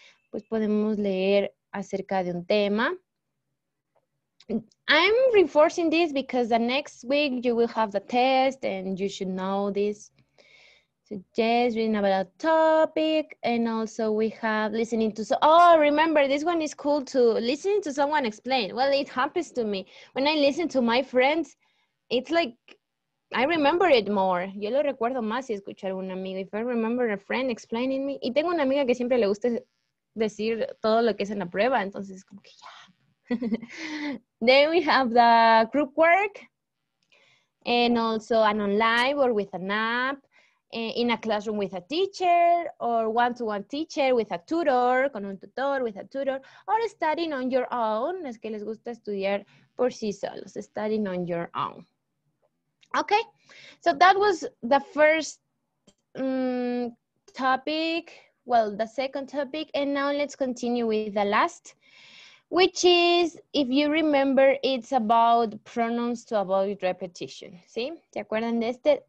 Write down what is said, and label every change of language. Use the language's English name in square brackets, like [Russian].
[Spanish] Pues podemos leer acerca de un tema. [English] I'm reinforcing this because the next week you will have the test and you should know this. So yes, reading about a topic, and also we have listening to, remember this one is cool too, listening to someone explain. Well, it happens to me. When I listen to my friends, it's like, I remember it more. [Spanish] Yo lo recuerdo más si escucho a algún amigo. [English] If I remember a friend explaining me. [Spanish] Y tengo una amiga que siempre le gusta decir todo lo que es en la prueba. Entonces, como que ya. [English] Then we have the group work. And also an online or with an app. In a classroom with a teacher. Or one-to-one teacher with a tutor. [Spanish] Con un tutor, [English] with a tutor. Or studying on your own. [Spanish] Es que les gusta estudiar por sí solos. [English] Studying on your own. Okay, so that was the first topic, well, the second topic, and now let's continue with the last, which is, if you remember, it's about pronouns to avoid repetition. [Spanish] ¿Sí? ¿Se acuerdan de este?